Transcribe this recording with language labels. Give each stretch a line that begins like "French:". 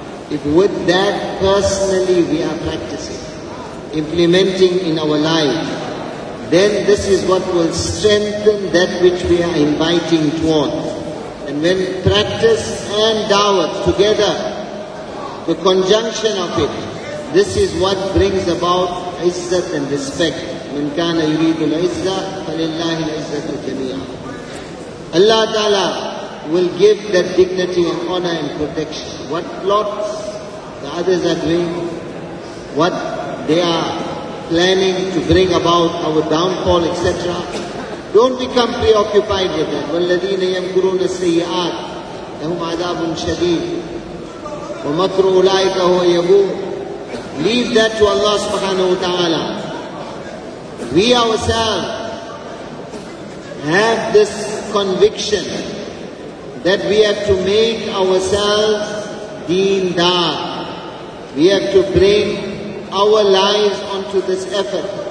English: If with that personally we are practicing, implementing in our life, then this is what will strengthen that which we are inviting towards. And when practice and dawat together, the conjunction of it, this is what brings about izzat and respect.
Arabic: من كان يريد العزة فلله العزة جميعا.
English: Allah Ta'ala will give that dignity and honor and protection. What plots the others are doing, what they are planning to bring about our downfall, etc. Don't become preoccupied with that.
Arabic: والذين يمكرون السيئات لهم عذاب شديد ومكر أولئك هو يبور.
English: Leave that to Allah Subhanahu Wa Ta'ala. We ourselves have this conviction that we have to make ourselves deendar. We have to bring our lives onto this effort.